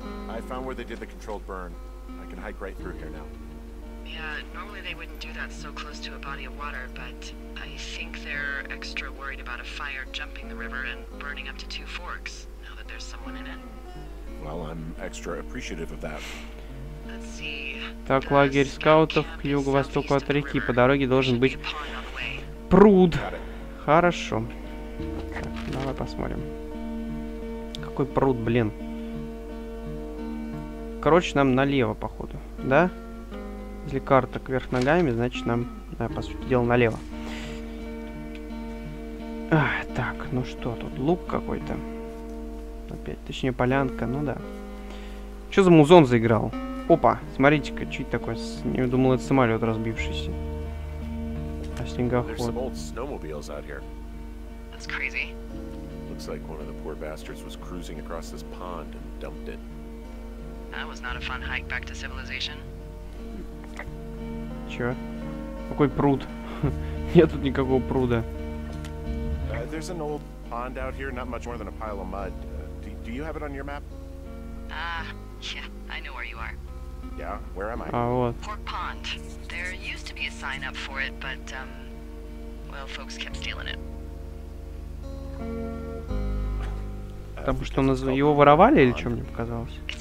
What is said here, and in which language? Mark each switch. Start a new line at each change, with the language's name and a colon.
English: I found where they did the controlled burn. I can hike right through here now. Yeah, normally they wouldn't do that so close to a body of water, but I think they're extra worried about a fire jumping the river and burning up to two forks now that there's someone in it. Well, I'm extra appreciative of that. Let's see.
Russian: Так, лагерь скаутов к юго-востоку от реки. По дороге должен быть пруд. Хорошо. Так, давай посмотрим. Какой пруд, блин? Короче, нам налево, походу, да? Если карта кверх ногами, значит нам, да, по сути дела, налево. Ах, так, ну что тут, лук какой-то. Опять, точнее, полянка, ну да. Что за музон заиграл? Опа, смотрите-ка, что это такое? Не думал, это самолет разбившийся. А снегоход.
English: Looks like one of the poor bastards was cruising across this pond and dumped it. That was not a fun hike back to civilization.
Russian: Чё? Какой пруд? Нет тут никакого пруда.
English: There's an old pond out here, not much more than a pile of mud. Do you have it on your map? Yeah, I know where you are. Yeah, where am I?
Russian: А вот.
English: Pork pond. There used to be a sign up for it, but well, folks kept stealing it.
Russian: Потому что он его воровали или что мне показалось?